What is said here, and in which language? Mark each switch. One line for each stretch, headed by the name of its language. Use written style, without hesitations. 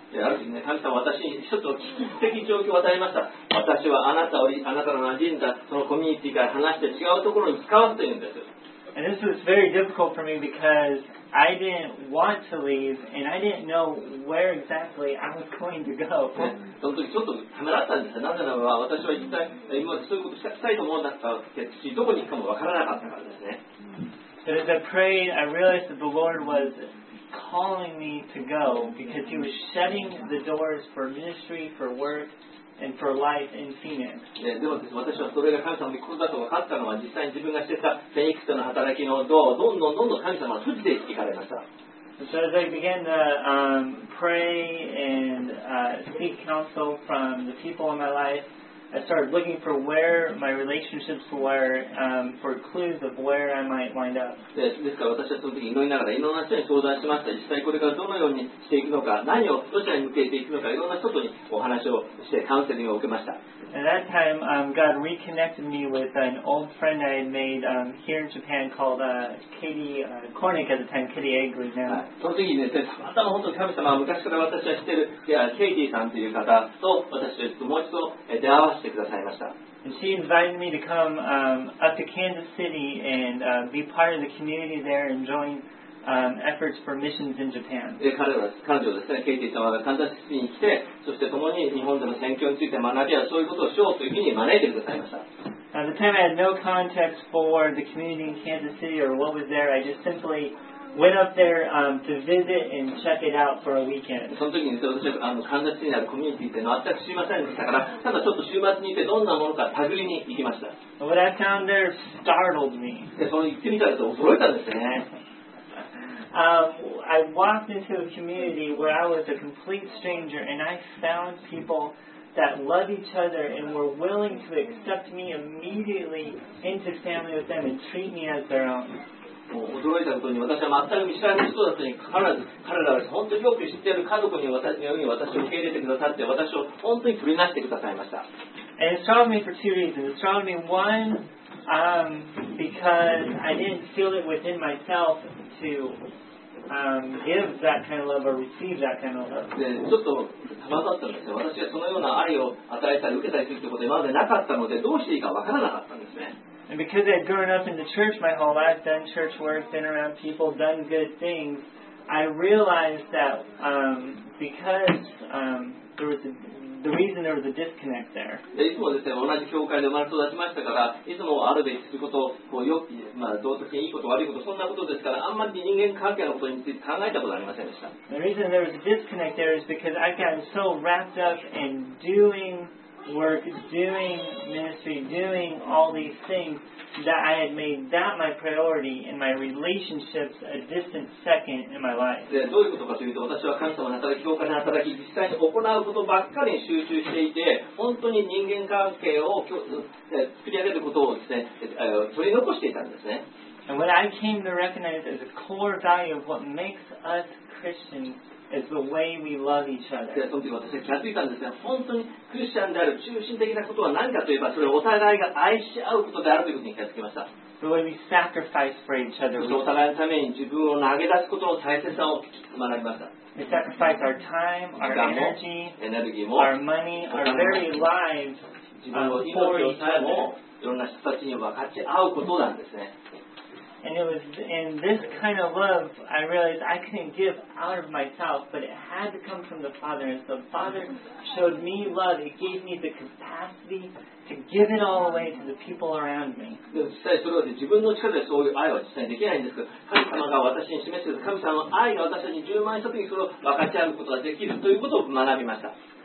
English: And this was very difficult for me because I didn't want to leave and I didn't know where exactly I was going to go.
Japanese: その時ちょっとためらったんですよ。なぜならば私は一体今までそういうことしたいと思ったかし、どこに行くかも分からなかったからですね。
English: But as I prayed, I realized that the Lord was calling me to go because He was shutting the doors for ministry, for work, and for life in Phoenix.
Japanese: でも私はそれが神様にことだと分かったのは、実際に自分がしてたフェニックスの働きのドアをどんどんどんどん神様は閉じていかれました。
English: So as I began to pray and seek counsel from the people in my life, I started looking for where my relationships were, for clues of where I might wind up.
Japanese: ですから私はその時祈りながらいろんな人に相談しました。実際これからどのようにしていくのか、何をどちらに向けていくのか、いろんな人にお話をしてカウンセリングを受けました。
English: At that time, God reconnected me with an old friend I had made here in Japan called Katie Cornick at the time, Katie Eggly now.
Japanese: その時にね、たまたま本当に神様は昔から私は知っている、ケイティさんという方と私はちょっともう一度出会わせてくださいました。
English: And she invited me to come up to Kansas City and be part of the community there and join efforts for missions in Japan.
Japanese: 彼女ですね、ケイティさんは神田市に来て、そして共に日本での宣教について学びや、そういうことをしようというふうに招いてくださいました。
English: At the time, I had no context for the community in Kansas City or what was there. I just simply went up there to visit and check it out for a weekend.
Japanese: その時に私は神田市にあるコミュニティっていうのは全く知りませんでしたから、ただちょっと週末に行ってどんなものか探りに行きました。
English: What I found there startled me.
Japanese: で、その行ってみたら驚いたんですね。
English: I walked into a community where I was a complete stranger, and I found people that love each other and were willing to accept me immediately into family with them and treat me as their own.
Japanese: もう驚いたことに私は全く見知らない人だったにかかわらず彼らは本当によく知っている家族のように私を受け入れてくださって私を本当に取り出してくださいました。
English: And it stopped me for two reasons. It stopped me one, because I didn't feel it within myself to, give that kind of love or receive that kind of love.
Japanese: でちょっと戸惑ったんですよ。私はそのような愛を与えたり受けたりするってことで今までなかったのでどうしていいかわからなかったんですね。
English: And because I had grown up in the church my whole life, done church work, been around people, done good things, I realized that the reason there was a disconnect there.
Japanese: いつもですね、同じ教会で生まれ育ちましたから、いつもあるべきすること、こうよく、まあ、道徳的にいいこと、悪いこと、そんなことですから、あんまり人間関係のことについて考えたことありませんでした。
English: The reason there was a disconnect there is because I got so wrapped up in doing... work, doing ministry, doing all these things that I had made that my priority in my relationships a distant second in my life.
Japanese: で、どういうことかというと、私は神様の働き、教会の働き、実際に行うことばっかりに集中していて、本当に人間関係を作り上げることをですね、取り残していたんですね。
English: And what I came to recognize as a core value of what makes us Christians. It's the way we love each other.
Japanese: で、その時私は気がついたんですね。本当にクリスチャンである中心的なことは何かといえば、それをお互いが愛し合うことであるということに気がつきました。
English: The way we sacrifice for each other.
Japanese: お互いのために自分を投げ出すことの大切さを学びました。
English: We sacrifice our time, our energy,
Japanese: エネルギーも、
English: our money, our very lives,
Japanese: 自分の命をさえも、いろんな人たちに分かち合うことなんですね。
English: And it was in this kind of love I realized I couldn't give out of myself, but it had to come from the Father. And so the Father showed me love. It gave me the capacity to give it all away to the people around me.
Japanese: 実際それは自分の力でそういう愛は実際にできないんですけど、神様が私に示す神様の愛が私に充満した時にそれを分かち合うことができるということを学びました。